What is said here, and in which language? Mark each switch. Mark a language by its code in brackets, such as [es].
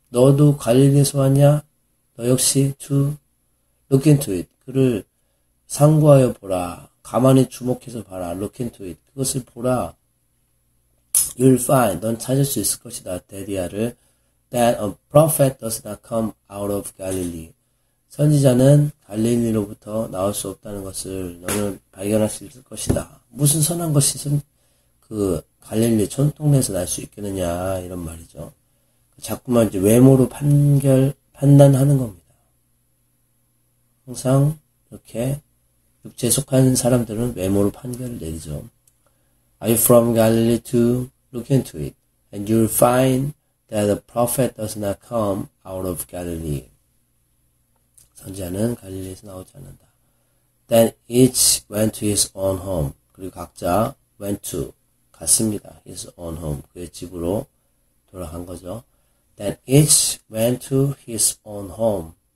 [ko] 너도 관리대에서 왔냐? 너 역시 [en] to look into it. [ko] 그를 상고하여 보라. 가만히 주목해서 봐라. [en] Look into it. [ko] 그것을 보라. [en] You'll find. [ko] 넌 찾을 수 있을 것이다. 데디아를. [en] That a prophet does not come out of Galilee. [ko] 선지자는 갈릴리로부터 나올 수 없다는 것을 너는 발견할 수 있을 것이다. 무슨 선한 것이 그 갈릴리 촌동네에서 날 수 있겠느냐 이런 말이죠. 자꾸만 이제 외모로 판단하는 겁니다. 항상 이렇게 육체에 속한 사람들은 외모로 판결을 내리죠. [en] Are you from Galilee to look into it? And you'll find that a prophet does not come out of Galilee. [ko] 선지자는 갈릴리에서 나오지 않는다. [en] Then each went to his own home. [ko] 그리고 각자 [en] went to, [ko] 갔습니다. [en] His own home, [ko] 그의 집으로 돌아간 거죠. [en] Then each went to his own home.